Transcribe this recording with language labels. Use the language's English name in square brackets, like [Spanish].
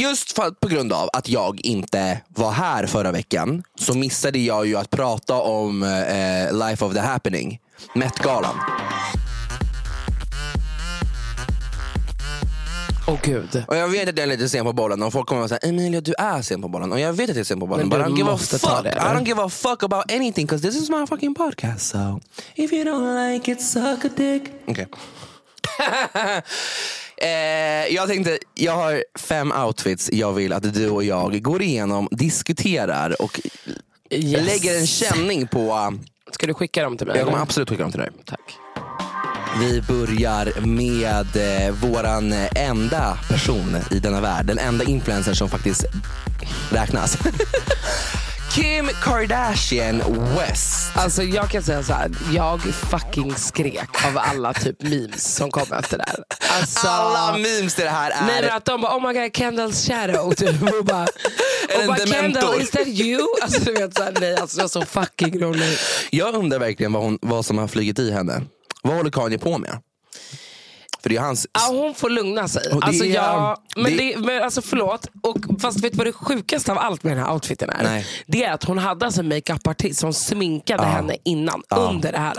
[Swedish] Just på grund av att jag inte var här förra veckan så missade jag ju att prata om Life of the Happening, Met-galan. Åh gud. Och jag vet att det är lite sen på bollen. Och folk kommer att säga Emilia, du är sen på bollen. Och jag vet att det är sen på bollen. Men du måste ta det, [English] I don't give a fuck about anything, because this is my fucking podcast. So if you don't like it, suck a dick. [Swedish] Okej. Jag tänkte, jag har 5 outfits jag vill att du och jag går igenom, diskuterar och lägger en känning på. Ska du skicka dem till mig? Jag kommer absolut skicka dem till dig. Tack. Vi börjar med våran enda person i denna värld. Den enda influencer som faktiskt räknas. Kim Kardashian West. Alltså jag kan säga så här, jag fucking skrek av alla typ memes som kom efter det här. Alltså, alla memes det här är. Nej, att de bara, [English] oh my god, Kendall's shadow. [Swedish] Typ. Och bara [English] Kendall, is that you? [Swedish] Alltså du vet så här, nej, alltså jag så fucking rolig. Jag undrar verkligen vad som har flygit i henne. Vad håller Kanye på med? För det är hans. Ja, hon får lugna sig. Alltså jag, men det, men alltså förlåt, och fast vet du vad det sjukaste av allt med den här outfiten är? Nej. Det är att hon hade alltså en makeupartist som sminkade henne innan under det här.